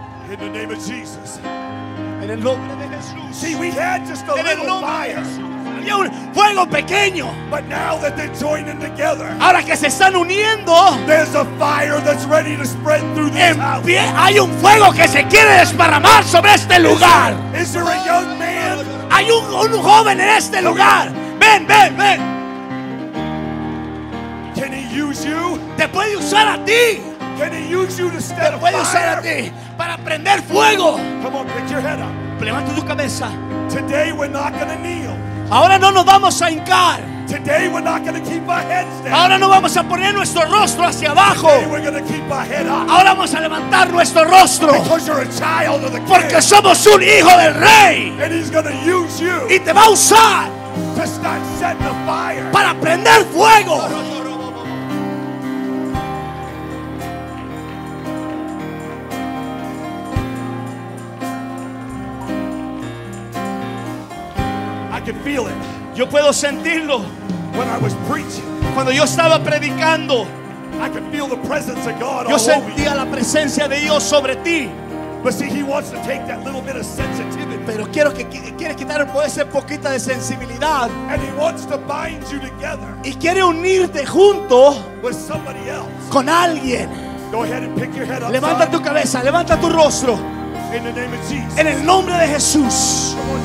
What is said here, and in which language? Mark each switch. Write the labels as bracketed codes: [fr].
[en] In the name of Jesus. [es] En el nombre de Jesús. [en] See, we had just a little fire. [es] Había un fuego pequeño. [en] But now that they're joining together, [es] ahora que se están uniendo, [en] there's a fire that's ready to spread through this house. [es] Hay un fuego que se quiere desparramar sobre este lugar. [en] Is there a young man? [es] Hay un joven en este lugar. Ven, ven, ven. [en] Can he use you? [es] Te puede usar a ti. [en] Can he use you to step [es] Te puede usar a ti para prender fuego. [en] Come on, pick your head up. [es] Levanta tu cabeza. [en] Today we're not gonna kneel. [es] Ahora no nos vamos a hincar. [en] Today we're not gonna keep our heads down. [es] Ahora no vamos a poner nuestro rostro hacia abajo. [en] Today we're gonna keep our head up. [es] Ahora vamos a levantar nuestro rostro. [en] Because you're a child of the King. [es] Porque somos un hijo del Rey. [en] And he's gonna use you. [es] Y te va a usar. [en] To start setting the fire. [es] Para prender fuego. [en] Feel it. [es] Yo puedo sentirlo. [en] When I was preaching, [es] cuando yo estaba predicando, [en] I could feel the presence of God. [es] Yo sentía la presencia de Dios sobre ti. [en] But see, he wants to take that little bit of sensitivity. [es] Pero quiero que quiere quitar ese poquito de sensibilidad. [en] And he wants to bind you together. [es] Y quiere unirte junto [en] with somebody else. [es] Con alguien. [en] Go ahead and pick your head up. [es] Levanta tu cabeza. Levanta tu rostro. [en] In the name of Jesus. [es] En el nombre de Jesús.